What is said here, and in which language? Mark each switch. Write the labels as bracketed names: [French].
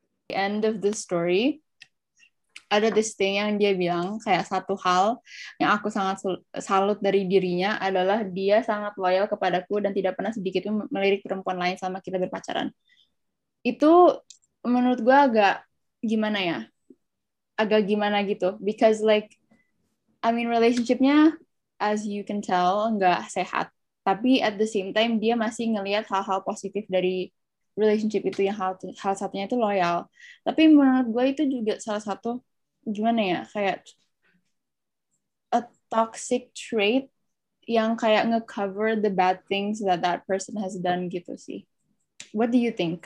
[English] The end of the story, [Indonesian] ada [English] this thing [Indonesian] yang dia bilang, kayak satu hal yang aku sangat salut dari dirinya adalah dia sangat loyal kepadaku dan tidak pernah sedikit melirik perempuan lain selama kita berpacaran. Itu menurut gue agak gimana ya? Agak gimana gitu. [English] Because like, I mean, relationship-nya as you can tell, [Indonesian] nggak sehat. Tapi [English] at the same time, [Indonesian] dia masih ngelihat hal-hal positif dari relationship itu, yang hal satunya itu loyal. Tapi menurut gue itu juga salah satu, gimana ya, kayak [English] a toxic trait [Indonesian] yang kayak nge-cover [English] the bad things that that person has done [Indonesian] gitu sih. [English] What do you think?